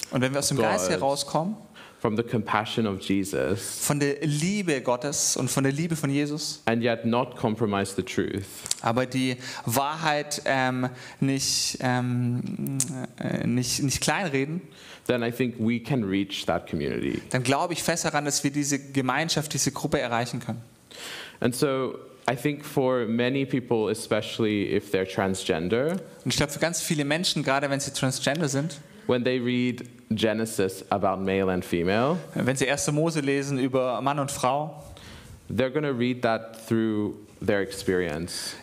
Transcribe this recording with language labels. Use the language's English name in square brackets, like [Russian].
[German] und wenn wir aus dem Geist herauskommen, [English] from the compassion of Jesus, [German] von der Liebe Gottes und von der Liebe von Jesus, [English] and yet not compromise the truth, [German] aber die Wahrheit nicht kleinreden, [English] then I think we can reach that community. [German] Dann glaube ich fest daran, dass wir diese Gemeinschaft, diese Gruppe erreichen können. [English] And so I think for many people, especially if they're transgender, [German] und ich glaube für ganz viele Menschen, gerade wenn sie transgender sind, [English] when they read Genesis about male and female, [German] wenn sie 1. Mose lesen über Mann und Frau, [English] they're going to read that through their experience.